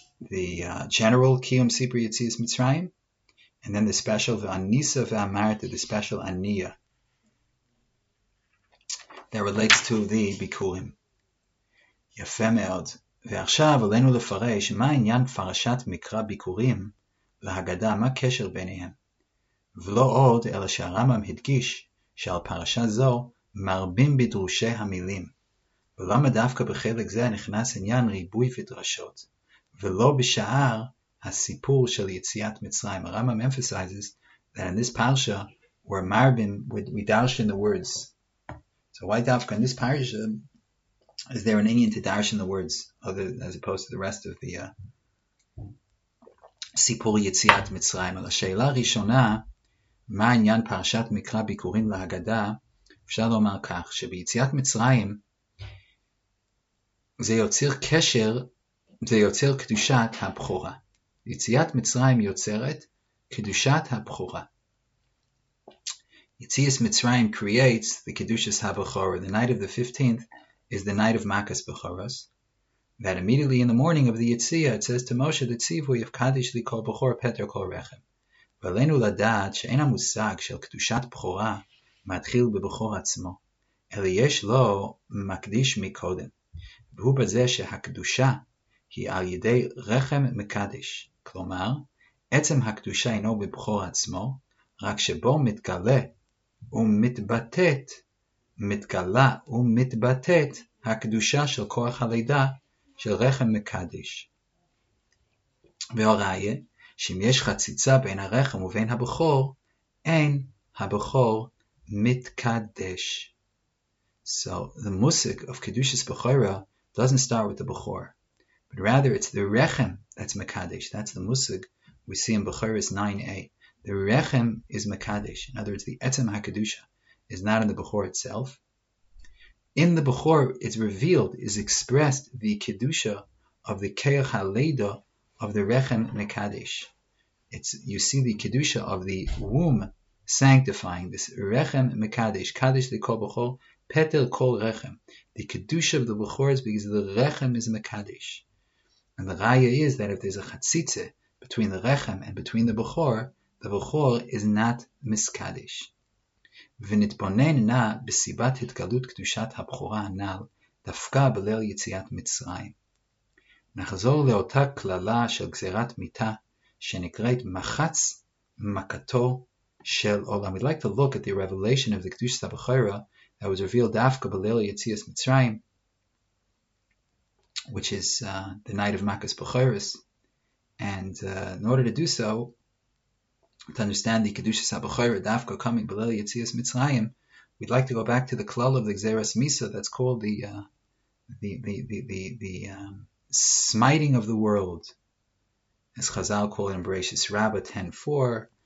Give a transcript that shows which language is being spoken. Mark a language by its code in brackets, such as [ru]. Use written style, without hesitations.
[en] The general Kiyum Sipur Yitzis Mitzrayim, and then the special Ve'anisa Ve'amarta, the special Aniya, that relates to the Bikurim. Yafe me'od. [he] Ve'achshav aleinu lefaresh, ma'in yan farashat mikra Bikurim, והגדה, מה קשר ביניהם? ולא עוד, אלא שהרמב״ם הדגיש שעל פרשה זו מרבים בדרושי המילים. ולמה דווקא בחלק זה נכנס עניין ריבוי ודרשות? ולא בשאר הסיפור של יציאת מצרים. [en] הרמב״ם emphasizes that in this parsha we're marbim, we darsh in the words. So why דווקא in this parsha is there an Indian to darsh in the words other, as opposed to the rest of the סיפור יציאת מצרים. [he] על השאלה הראשונה, מה עניין פרשת מקרא ביקורים להגדה, אפשר לומר כך, שביציאת מצרים זה יוצר קשר, זה יוצר קדושת הבכורה. יציאת מצרים יוצרת קדושת הבכורה. [en] יציאת מצרים creates the קדושת הבכורה. The night of the 15th is the night of Makas Bechoros. That immediately in the morning of the Yitzhiyah, it says to Moshe, the Tzivu yifkadish li kol b'chor peter kol rechem. [he] V'aleinu ladat she'en ha-musag shel kedushat b'chora matchil b'b'chor atzmo. Eli yesh lo makdish mikodem. V'hu b'zeh she'hakdusha hi al yidei rechem mekadish. Klomar, etzem hakdusha ino b'b'chor atzmo, rak shebo mitgale u'mitbatet, mitgala u'mitbatet hakdusha shel koach ha-leida, של רחם מקדש. והראיה, שאם יש חציצה בין הרחם ובין הבכור, אין הבכור מתקדש. [en] So the musik of Kedushas Bechora doesn't start with the Bechor, but rather it's the rechem that's מקדש. That's the musik we see in Bechoras 9a. The rechem is מקדש. In other words, the etzem ha-kedusha is not in the Bechor itself. In the Bechor, it's revealed, is expressed, the Kedusha of the Keach HaLeida of the Rechem Mekadesh. It's, you see the Kedusha of the womb sanctifying this Rechem Mekadesh, Kadesh Likol Bechor, Peter Kol Rechem. The Kedusha of the Bechor is because the Rechem is Mekadesh. And the Raya is that if there's a Chatzitze between the Rechem and between the Bechor is not Miskadesh. [he] ונתבונן נא בסיבת התגלות קדושת הבכורה הנ"ל דווקא בליל יציאת מצרים. נחזור לאותה כללה של גזירת מיתה שנקראת מחץ מכתו של עולם. [en] We'd like to look at the revelation of the קדושת הבכורה that was revealed דווקא בליל יציאת מצרים, which is the night of Makas Bechoros. And in order to do so, to understand the Kedushas HaBechora Dafka coming B'lel Yetzias Mitzrayim, we'd like to go back to the Klal of the Gzeras Misa that's called the smiting of the world, as Chazal call it in Bereishis Rabbah 10:4,